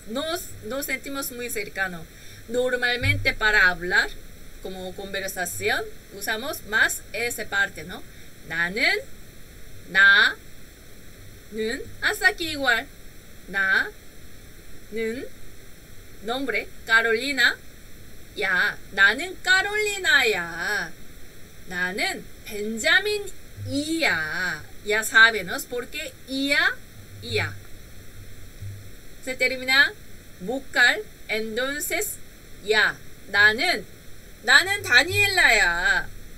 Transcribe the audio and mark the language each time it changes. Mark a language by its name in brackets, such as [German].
[Spanish] No sentimos muy cercano. Normalmente para hablar. Como conversación, usamos más esa parte, ¿no? [Korean] 나는, 나는, [Spanish] hasta aquí igual. 나는, nombre, Carolina, ya. [Korean] 나는 Carolina야. 나는 Benjamin이야. [Spanish] Ya saben, ¿no? Porque ia, ia. Se termina vocal. Entonces, ya, [Korean] 나는 다니엘라야.